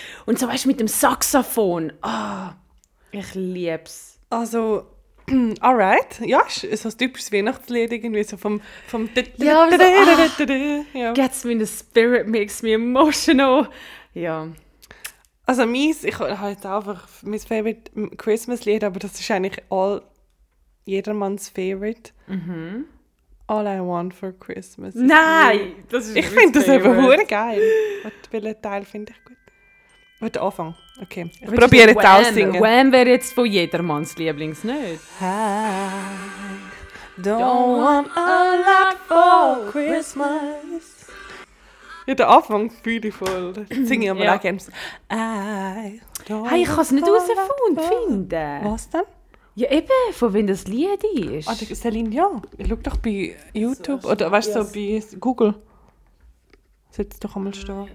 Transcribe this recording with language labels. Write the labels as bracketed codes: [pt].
[de] Und so weißt du, mit dem Saxophon. Ah, oh, ich liebe es. Also, [en] alright. [de] Ja, es ist so ein typisches Weihnachtslied irgendwie. So vom. Ja, [en] gets me in the spirit, makes me emotional. [de] Ja. Also, ich habe jetzt einfach mein favorite Christmas-Lied, aber das ist eigentlich all jedermanns favorite. Mhm. [en] All I want for Christmas. [de] Nein! Das ist ich finde das einfach hure geil. Welchen Teil finde ich gut? Wird Anfang. Okay. Ich probiere jetzt auch singen. Wham wäre jetzt von jedermanns Lieblings nicht. [en] I don't want a lot for Christmas. [de] Ja, der Anfang fühle ich voll. Singe ich aber auch gerne. Hey, ich kann es nicht herausgefunden finden. Was denn? Ja, eben, von wem das Lied ist. Ah, oh, Céline Dion. Ich schau doch bei YouTube oder weißt du, so bei Google. Sollte es doch einmal stehen.